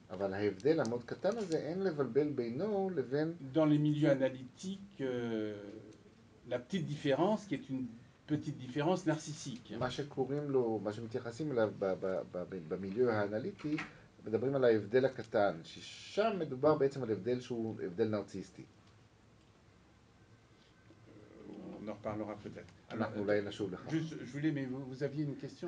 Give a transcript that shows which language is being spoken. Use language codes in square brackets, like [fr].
[he] אבל ההבדל המאוד קטן הזה אין לבלבל בינו לבין. [fr] Dans les milieux analytiques, la petite différence, qui est une petite différence narcissique. [he] מה שקוראים לו, מה שמתייחסים אליו ב- ב- ב- ב- במיליו האנליטי, מדברים על ההבדל הקטן, ששם מדובר בעצם על הבדל שהוא הבדל נרציסטי. [fr] On en reparlera peut-être. Alors, je voulais, mais vous aviez une question.